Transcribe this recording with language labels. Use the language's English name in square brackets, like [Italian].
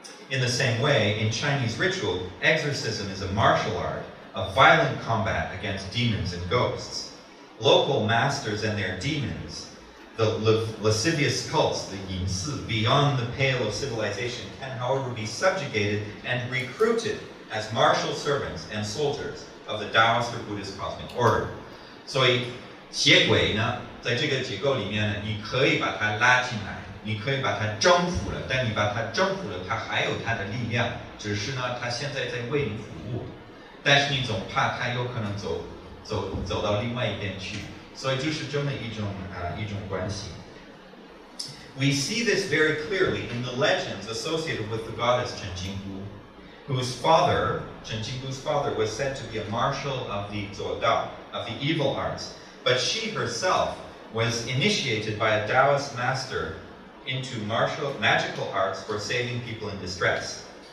[English] In the same way, in Chinese ritual, exorcism is a martial art, a violent combat against demons and ghosts. Local masters and their demons, the lascivious cults, the yin si, beyond the pale of civilization, can however be subjugated and recruited as martial servants and soldiers of the Taoist or Buddhist cosmic order. [Chinese] So, 邪鬼呢，在这个结构里面呢，你可以把它拉进来，你可以把它征服了，但你把它征服了，它还有它的力量，只是呢，它现在在为你服务，但是你总怕它有可能走到另外一边去，所以就是这么一种关系。 [English] We see this very clearly in the legends associated with the goddess Chen Jingwu, whose father, Chen Jingwu's father, was said to be a marshal of the Zuoda, of the evil arts. But she herself was initiated by a Taoist master into martial magical arts for saving people in distress.